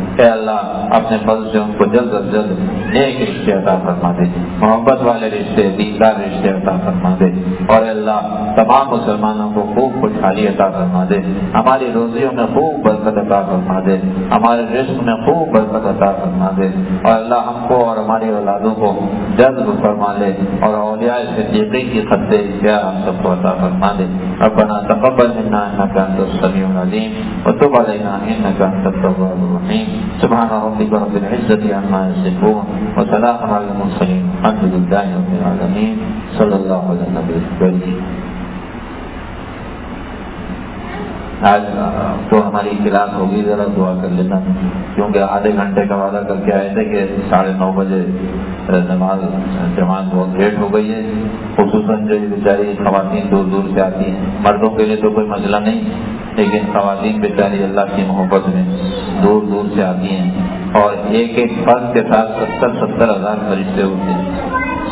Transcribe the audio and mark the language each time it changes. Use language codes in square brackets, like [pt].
[ur] اے اللہ اپنے فضل سے ان کو جلد از جلد نیک رشتے عطا فرما دے, محبت والے رشتے دیندار رشتے عطا فرما دے, اور اے اللہ تمام مسلمانوں کو خوب خوشحالی عطا فرما دے, ہماری روزیوں میں خوب برکت عطا فرما دے, ہمارے رزق میں خوب برکت عطا فرما دے, اور اللہ ہم کو اور ہماری اولادوں کو جلد فرما لے, اور اولیاء صدیقین کی خط سے ہم سب کو عطا فرما دے. [ar] ربنا تقبل منا انك انت السميع العليم, وتب علينا انك انت التواب الرحيم, سبحان ربك رب العزة عما يصفون, وسلام على المرسلين, الحمد لله رب العالمين, صلى الله على النبي الكريم. [ur] آج تو ہماری کلاس ہوگی, ذرا دعا کر لینا, کیونکہ آدھے گھنٹے کا وعدہ کر کے آئے تھے کہ 9:30 بجے نماز جماعت بہت لیٹ ہو گئی ہے, خصوصاً جو بیچاری خواتین دور دور سے آتی ہیں, مردوں کے لیے تو کوئی مسئلہ نہیں, لیکن خواتین بیچاری اللہ کی محبت میں دور دور سے آتی ہیں, اور ایک ایک فرد کے ساتھ 70,000 فرشتے ہوتے ہیں,